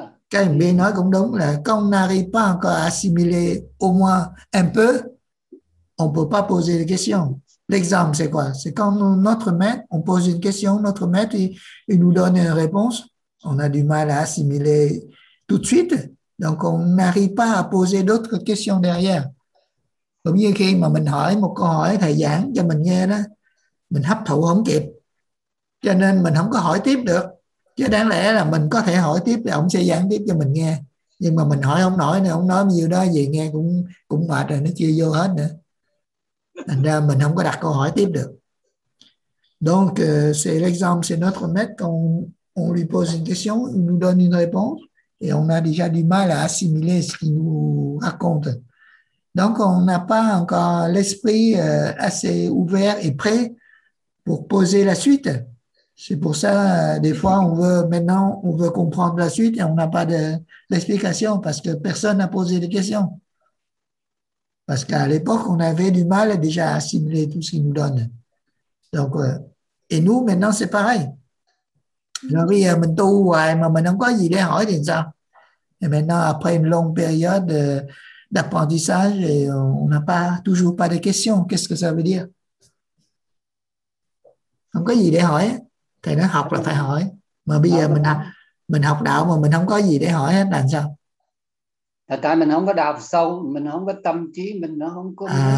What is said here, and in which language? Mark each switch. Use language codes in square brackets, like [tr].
[vi] Cái mình nói cũng đúng là [fr] quand on n'arrive pas encore à assimiler au moins un peu, on peut pas poser des questions. L'exemple c'est quoi? C'est quand notre maître, on pose une question, notre maître il nous donne une réponse, on a du mal à assimiler tout de suite, donc on n'arrive pas à poser d'autres questions derrière. [vi] Cũng như khi mà mình hỏi một câu hỏi thầy giảng cho mình nghe đó, mình hấp thụ không kịp. Cho nên mình không có hỏi tiếp được. Chứ đáng lẽ là mình có thể hỏi tiếp thì ông sẽ giảng tiếp cho mình nghe. Nhưng mà mình hỏi ông nổi nữa, ông nói nhiều đó gì nghe cũng mệt rồi, nó chưa vô hết nữa. Thành ra mình không có đặt câu hỏi tiếp được. [fr] Donc, c'est l'exemple, c'est notre maître quand on lui pose une question, il nous donne une réponse et on a déjà du mal à assimiler ce qu'il nous raconte. Donc, on n'a pas encore l'esprit assez ouvert et prêt pour poser la suite. C'est pour ça, des fois, on veut comprendre la suite et on n'a pas d'explication parce que personne n'a posé de questions. Parce qu'à l'époque, on avait du mal déjà à assimiler tout ce qu'ils nous donnent. Donc, et nous, maintenant, c'est pareil. J'ai dit, [vi] mình tu hoài, mà mình không có gì để hỏi thì sao? [fr] Et maintenant, après une longue période d'apprentissage, on n'a pas toujours pas de questions. Qu'est-ce que ça veut dire? [vi] Không có gì để hỏi. Thầy nói học là phải hỏi. Mà bây giờ mình học đạo mà mình không có gì để hỏi hết là sao? Là tại mình không có đào sâu, mình không có tâm trí, mình nó không có...